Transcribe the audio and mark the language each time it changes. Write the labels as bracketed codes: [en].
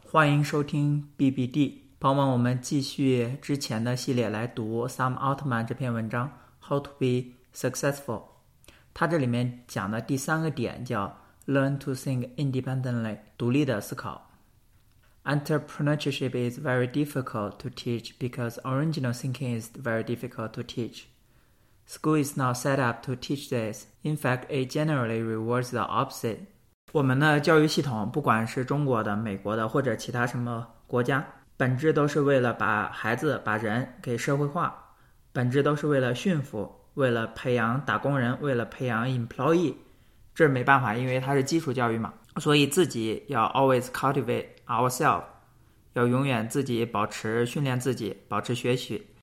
[zh] 欢迎收听 BBD，朋友们，我们继续之前的系列来读 Sam Altman 这篇文章《How to Be Successful》。他这里面讲的第三个点叫 [en] "Learn to think independently"， [zh] 独立的思考。 [en] Entrepreneurship is very difficult to teach because original thinking is very difficult to teach. School is not set up to teach this. In fact, it generally rewards the opposite. [zh] 我们的教育系统，不管是中国的、美国的或者其他什么国家，本质都是为了把孩子、把人给社会化，本质都是为了驯服，为了培养打工人，为了培养 employee。这没办法，因为它是基础教育嘛，所以自己要 [en] always cultivate ourselves， [zh] 要永远自己保持训练自己，保持学习。